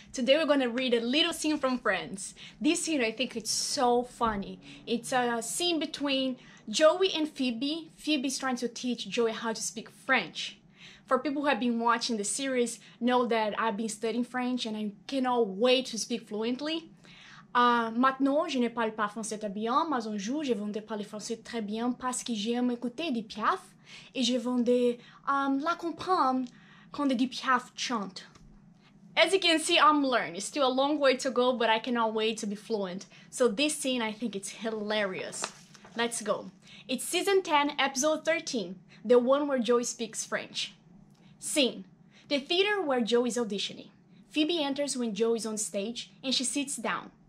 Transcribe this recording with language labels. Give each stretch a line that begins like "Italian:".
English: Today we're going to read a little scene from Friends. This scene, I think it's so funny. It's a scene between Joey and Phoebe. Phoebe's trying to teach Joey how to speak French. For people who have been watching the series know that I've been studying French and I cannot wait to speak fluently.
French: Maintenant, je ne parle pas français très bien, mais un jour, je vais parler français très bien parce que j'aime écouter des Piaf et je vais la comprendre. Quand de Piaf chant.
English: As you can see, I'm learning. It's still a long way to go, but I cannot wait to be fluent. So this scene, I think it's hilarious. Let's go. It's season 10, episode 13, the one where Joey speaks French. Scene. The theater where Joey is auditioning. Phoebe enters when Joey is on stage, and she sits down.